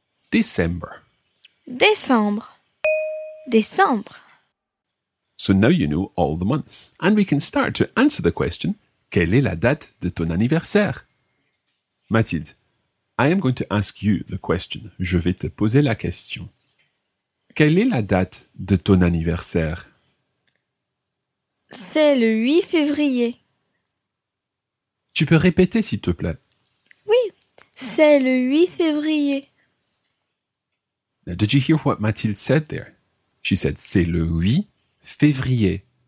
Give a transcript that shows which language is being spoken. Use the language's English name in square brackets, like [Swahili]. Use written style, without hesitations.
[English] December. [French] Décembre. Décembre. [English] So now you know all the months. And we can start to answer the question, [French] quelle est la date de ton anniversaire? [English] Mathilde. I am going to ask you the question. [French] Je vais te poser la question. Quelle est la date de ton anniversaire? C'est le 8 février. Tu peux répéter, s'il te plaît. Oui, c'est le 8 février. [English] Now, did you hear what Mathilde said there? She said, [French] c'est le 8 février.